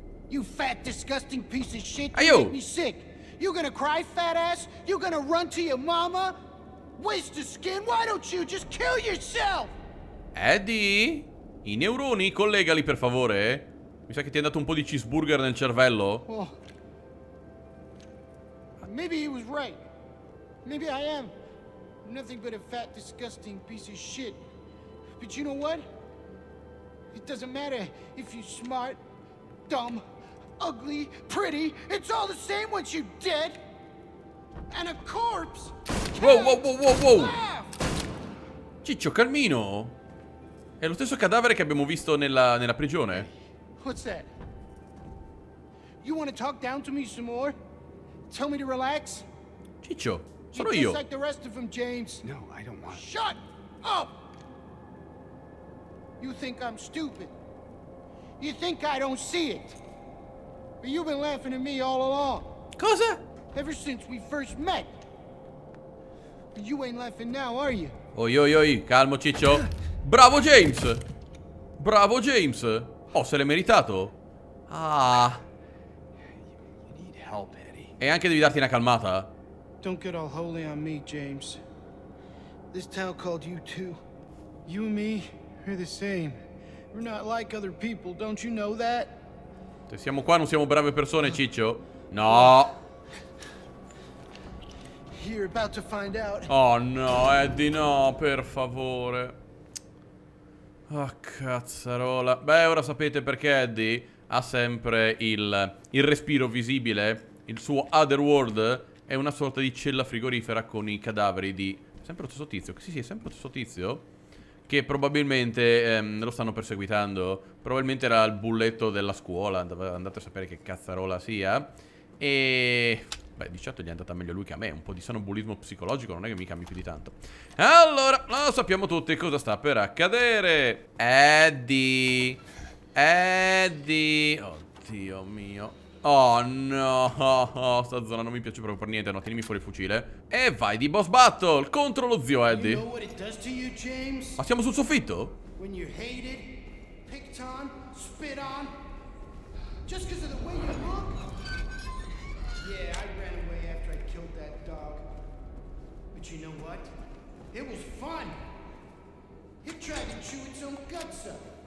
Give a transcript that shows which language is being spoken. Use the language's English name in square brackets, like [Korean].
[English] You fat disgusting piece of shit, you make me sick. You gonna cry, fat ass? You gonna run to your mama? Waste of skin, why don't you just kill yourself? [Italian] Eddie? I neuroni, collegali per favore. Mi sa che ti è andato un po' di cheeseburger nel cervello. Oh. [English] Maybe he was right. Maybe I am. Nothing but a fat disgusting piece of shit. But you know what? It doesn't matter if you're smart, dumb, ugly, pretty, it's all the same once you're dead. And a corpse. [Italian] Whoa. Ciccio, calmino. È lo stesso cadavere che abbiamo visto nella prigione. [English] What's that? You want to talk down to me some more? Tell me to relax. [Italian] Ciccio, sono io. [English] Like the rest of them, James. No, I don't want. Shut up. You think I'm stupid? You think I don't see it? But you've been laughing at me all along. [Italian] Cosa? [English] Ever since we first met. But you ain't laughing now, are you? [Italian] Oi, oi, oi, calmo ciccio. Bravo, James! Bravo, James! Oh, se l'è meritato. Ah. [English] You need help, Eddie. [Italian] E anche devi darti una calmata. [English] Don't get all holy on me, James. This town called you too. You and me, we're the same. We're not like other people, don't you know that? [Italian] Se siamo qua, non siamo brave persone, ciccio. No. [English] You're about to find out. [Italian] Oh no, Eddie, no, per favore. Ah, oh, cazzarola. Beh, ora sapete perché Eddie ha sempre il respiro visibile. Il suo other world è una sorta di cella frigorifera con i cadaveri di... Sempre lo stesso tizio? Sì, sì, è sempre lo stesso tizio. Che probabilmente lo stanno perseguitando. Probabilmente era il bulletto della scuola. Andate a sapere che cazzarola sia. E... Beh, di certo gli è andata meglio lui che a me. Un po' di sonnambulismo psicologico non è che mi cambi più di tanto. Allora, lo sappiamo tutti cosa sta per accadere. Eddie. Eddie. Oddio mio. Oh no, sta zona non mi piace proprio per niente. No, tienimi fuori il fucile. E vai di boss battle contro lo zio Eddie. [English] You know what it does to you, James? [Italian] Ma siamo sul soffitto? [English] When you're hated, picked on, spit on, just because of the way you look. Yeah, I ran away after I killed that dog. But you know what? It was fun. It tried to chew its own guts up.